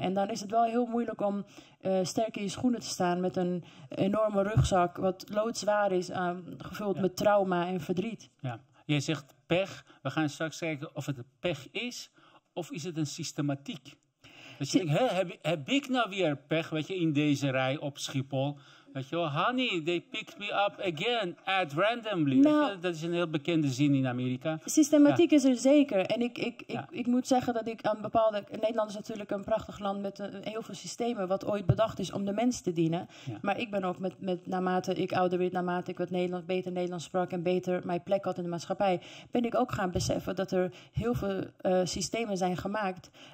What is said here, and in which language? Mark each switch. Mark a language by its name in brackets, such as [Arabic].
[Dutch] En dan is het wel heel moeilijk om sterk in je schoenen te staan met een enorme rugzak, wat loodzwaar is, gevuld met trauma en verdriet. Ja. Je zegt pech. We gaan straks kijken of het pech is of is het een systematiek. Dus je denkt, heb ik nou weer pech, weet je, in deze rij op Schiphol? Weet je, [English] honey, they picked me up again, at randomly. [Dutch] Nou, dat is een heel bekende zin in Amerika. Systematiek is er zeker. En ik moet zeggen dat ik aan bepaalde... Nederland is natuurlijk een prachtig land met heel veel systemen... wat ooit bedacht is om de mens te dienen. Ja. Maar ik ben ook met naarmate ik ouder werd... naarmate ik wat Nederland, beter Nederlands sprak... en beter mijn plek had in de maatschappij... ben ik ook gaan beseffen dat er heel veel systemen zijn gemaakt.